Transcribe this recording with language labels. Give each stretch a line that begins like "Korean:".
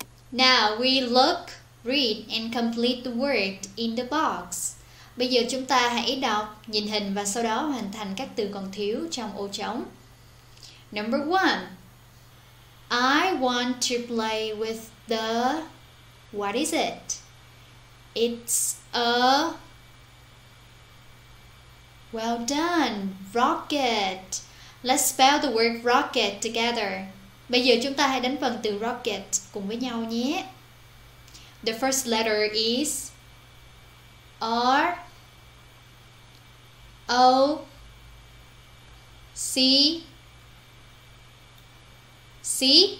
English: Now we look, read, and complete the word in the box.
Vietnamese: Bây giờ chúng ta hãy đọc, nhìn hình và sau đó hoàn thành các từ còn thiếu trong ô trống.
English: Number one, I want to play with the, what is it? It's a, well done, rocket. Let's spell the word rocket together.
Vietnamese: Bây giờ chúng ta hãy đánh phần từ rocket cùng với nhau nhé.
English: The first letter is R O C C.